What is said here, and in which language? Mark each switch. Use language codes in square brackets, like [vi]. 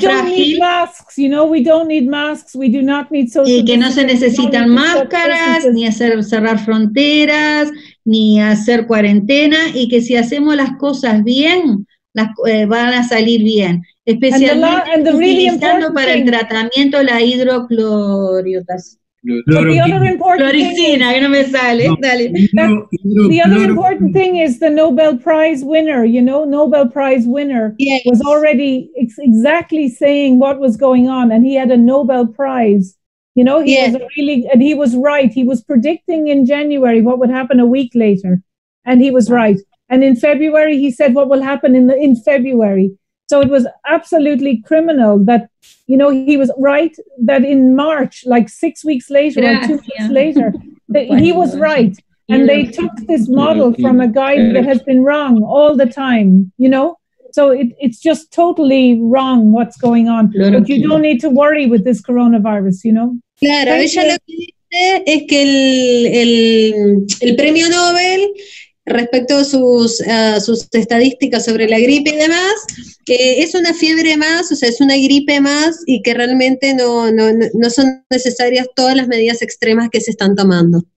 [en] We don't need masks, you know, we don't need masks, we do not need social [es] distancing. Y que no se necesitan máscaras, ni hacer cerrar fronteras, ni hacer cuarentena, y que si hacemos las cosas bien, van a salir bien. Especialmente utilizando para el tratamiento la hidroclorotina, que no me sale. No, dale. [en] The other important thing is the Nobel Prize winner, you know, Nobel Prize winner was already exactly saying what was going on, and he had a Nobel Prize, you know, and he was right. He was predicting in January what would happen a week later, and he was right. And in February, he said what will happen in February. So it was absolutely criminal that, you know, he was right that in March, like 6 weeks later or 2 weeks later, that he was right. And they took this model from a guy that has been wrong all the time, you know. So it's just totally wrong what's going on. But you don't need to worry with this coronavirus, you know. [es] Claro, ella lo que dice es que el premio Nobel, respecto a sus estadísticas sobre la gripe y demás, que es una fiebre más, o sea, es una gripe más, y que realmente no son necesarias todas las medidas extremas que se están tomando.